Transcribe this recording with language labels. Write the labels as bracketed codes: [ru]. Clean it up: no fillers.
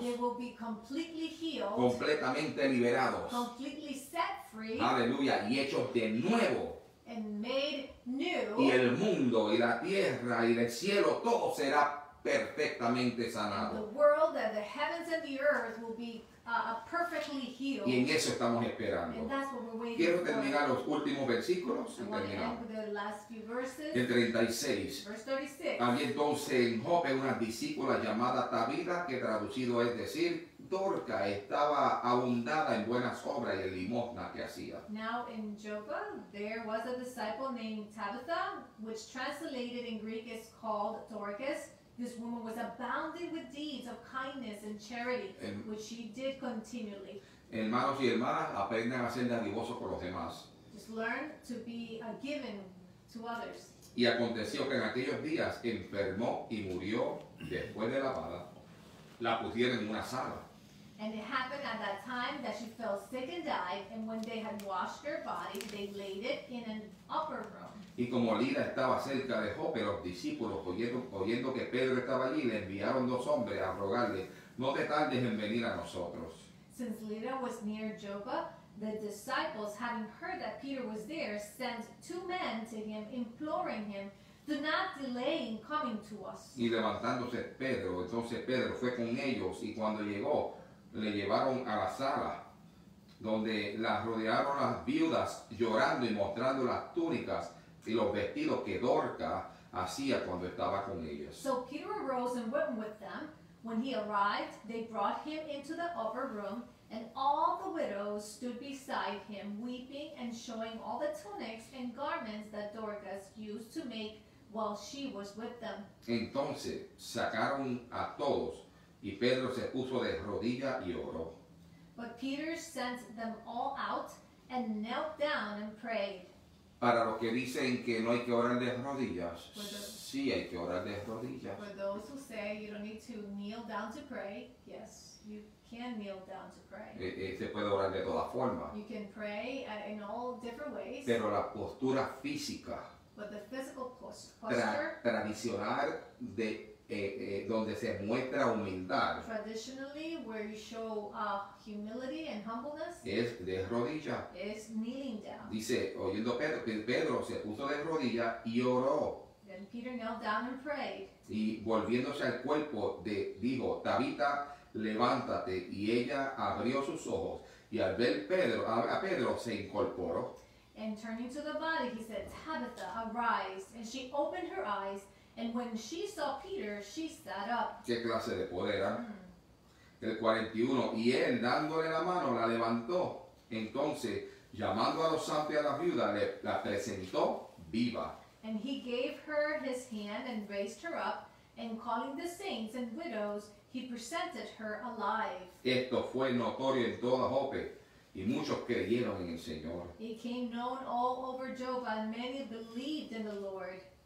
[en] They will be completely healed. [es] Completamente liberados. [en] Completely set free. [es] Aleluya. Y hechos de nuevo. [en] And made new. [es] Y el mundo y la tierra y el cielo, todo será perfectamente sanado. [en] The world and the heavens and the earth will be perfectly healed. [es] Y en eso estamos esperando. [en] And that's what we're waiting [es] quiero [en] for. [es] Quiero terminar los últimos versículos. [en] I want to end with the last few verses. [es] El 36. [en] Verse 36. [es] Había entonces en Joppe una discípula llamada Tabitha, que traducido es decir, Dorca, estaba abundada en buenas obras y en limosna que hacía. [en] Now in Joppa, there was a disciple named Tabitha, which translated in Greek is called Dorcas. This woman was abounding with deeds of kindness and charity, which she did continually. [es] Hermanos y hermanas, aprendan a ser dadivosos por los demás. [en] Just learn to be a given to others. [es] Y aconteció que en aquellos días enfermó y murió después de lavada. La pusieron en una sala. [en] And it happened at that time that she fell sick and died, and when they had washed her body, they laid it in an upper room. [es] Y como Lida estaba cerca de Joppe, los discípulos, oyendo que Pedro estaba allí, le enviaron dos hombres a rogarle, no te tardes en venir a nosotros. [en] Since Lida was near Joppa, the disciples, having heard that Peter was there, sent two men to him, imploring him, do not delay in coming to us. [es] Y levantándose Pedro, entonces Pedro fue con ellos, y cuando llegó, le llevaron a la sala, donde las rodearon las viudas, llorando y mostrando las túnicas y los vestidos que Dorca hacía cuando estaba con ellos. [en] So Peter arose and went with them. When he arrived, they brought him into the upper room, and all the widows stood beside him, weeping and showing all the tunics and garments that Dorcas used to make while she was with them. [es] Entonces sacaron a todos, y Pedro se puso de rodillas y oró. [en] But Peter sent them all out and knelt down and prayed. [es] Para los que dicen que no hay que orar de rodillas, sí hay que orar de rodillas. [en] For those who say you don't need to kneel down to pray, yes, you can kneel down to pray. [es] Se puede orar de todas formas. [en] You can pray in all different ways. [es] Pero la postura física. [en] But the physical posture. [es] Tradicional de donde se muestra humildad. [en] Traditionally, where you show humility and humbleness. [es] Es de rodilla. [en] Is kneeling down. [es] Dice, oyendo Pedro, Pedro se puso de rodilla y oró. [en] Then Peter knelt down and prayed. [es] Y volviéndose al cuerpo, dijo, Tabita, levántate. Y ella abrió sus ojos. Y al ver a Pedro, se incorporó. [en] And turning to the body, he said, Tabitha, arise. And she opened her eyes. And when she saw Peter, she sat up. [es] ¿Qué clase de poder, ¿eh? El 41. Y él, dándole la mano, la levantó. Entonces, llamando a los santos y a la viuda, la presentó viva. [en] And he gave her his hand and raised her up. And calling the saints and widows, he presented her alive. [es] Esto fue notorio en toda Jope. Y muchos creyeron en el Señor. [en] It came known all over Joppa, and many believed in the Lord.